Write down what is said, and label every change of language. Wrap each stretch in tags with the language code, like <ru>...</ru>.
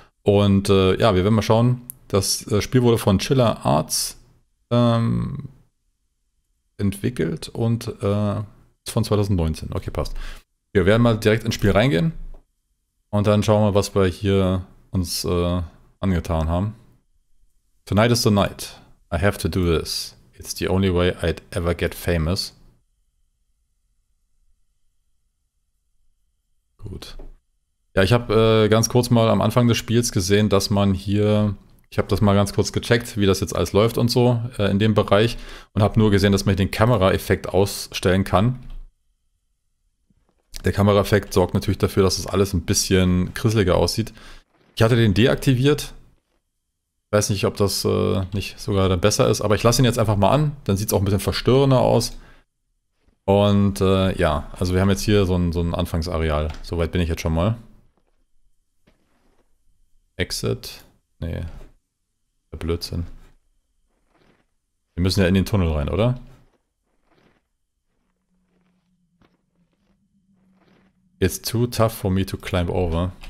<de>Und ja, wir werden mal schauen. Das Spiel wurde von Chiller Arts entwickelt und ist von 2019. Okay, passt. Wir werden mal direkt ins Spiel reingehen und dann schauen wir mal, was wir hier uns angetan haben.</de> <en>Tonight is the night. I have to do this. It's the only way I'd ever get famous.</en> <de>Gut. Ja, ich habe ganz kurz mal am Anfang des Spiels gesehen, dass man hier... Ich habe das mal ganz kurz gecheckt, wie das jetzt alles läuft und so in dem Bereich und habe nur gesehen, dass man den Kameraeffekt ausstellen kann. Der Kameraeffekt sorgt natürlich dafür, dass das alles ein bisschen krisseliger aussieht. Ich hatte den deaktiviert. Ich weiß nicht, ob das nicht sogar dann besser ist, aber ich lasse ihn jetzt einfach mal an. Dann sieht es auch ein bisschen verstörender aus. Und ja, also wir haben jetzt hier so ein Anfangsareal. Soweit bin ich jetzt schon mal. Exit. Nee. Blödsinn. Wir müssen ja in den Tunnel rein, oder?</de> <en>It's too tough for me to climb over.</en>